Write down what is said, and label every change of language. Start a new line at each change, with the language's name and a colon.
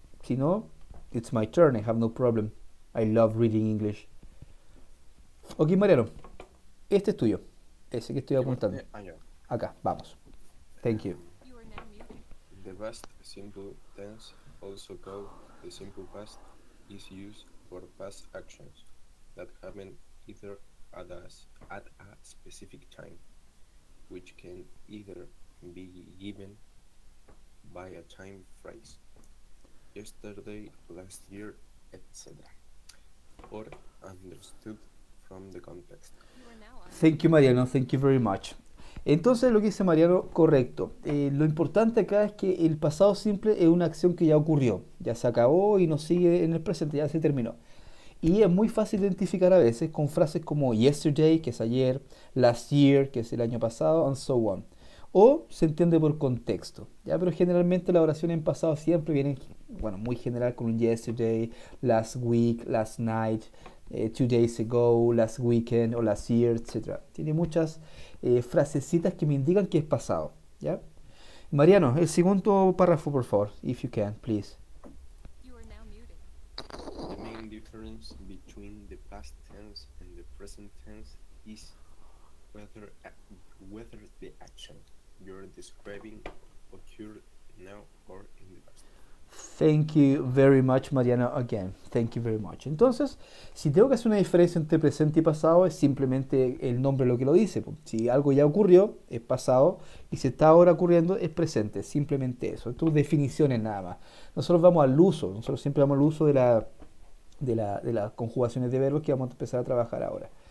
Spanish: Si no,
English: it's my turn, I have no problem. I love reading English.
Spanish: Ok, Mariano, este es tuyo, ese que estoy apuntando. Acá, vamos.
English: Thank you. The past simple tense, also called the simple past, is used for past actions that happen either at a specific time, which can either be given by a time phrase, yesterday, last year, etc., or understood from the context. Thank you, Mariano. Thank you very much.
Spanish: Entonces, lo que dice Mariano, correcto. Lo importante acá es que el pasado simple es una acción que ya ocurrió, ya se acabó y nos sigue en el presente, ya se terminó. Y es muy fácil identificar a veces con frases como yesterday, que es ayer, last year, que es el año pasado,
English: and so on.
Spanish: O se entiende por contexto, ¿ya? Pero generalmente la oración en pasado siempre viene, bueno, muy general con un yesterday, last week, last night.
English: 2 days ago, last weekend, o last year, etc.
Spanish: Tiene muchas frasecitas que me indican que es pasado, ¿ya? Mariano, el segundo párrafo, por favor,
English: if you can, please. The main difference between the past tense and the present tense is whether the action you're describing occurred now or in the past. Thank you very much, Mariano, again. Thank you very much.
Spanish: Entonces, si tengo que hacer una diferencia entre presente y pasado, es simplemente el nombre lo que lo dice. Si algo ya ocurrió, es pasado. Y si está ahora ocurriendo, es presente. Simplemente eso. Tus definiciones nada más. Nosotros vamos al uso. Nosotros siempre vamos al uso de las conjugaciones de verbos que vamos a empezar a trabajar ahora.